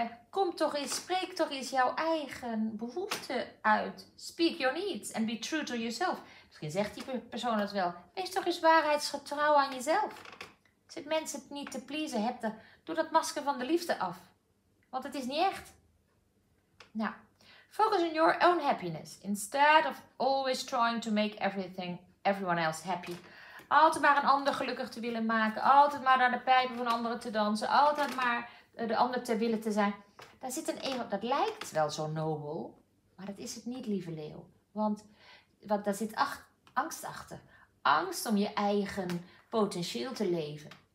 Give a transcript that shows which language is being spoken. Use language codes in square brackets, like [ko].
[nl] Kom toch eens, spreek toch eens jouw eigen behoeften uit. [en] Speak your needs and be true to yourself. [nl] Misschien zegt die persoon dat wel. Wees toch eens waarheidsgetrouw aan jezelf. Zit mensen niet te pleasen, doe dat masker van de liefde af. Want het is niet echt. [en] Nou, focus on your own happiness. Instead of always trying to make everyone else happy. [nl] Altijd maar een ander gelukkig te willen maken. Altijd maar naar de pijpen van anderen te dansen. Altijd maar de ander te willen te zijn. Daar zit een ego. Dat lijkt wel zo nobel. Maar dat is het niet, lieve leeuw. Want daar zit angst achter. Angst om je eigen potentieel te leven.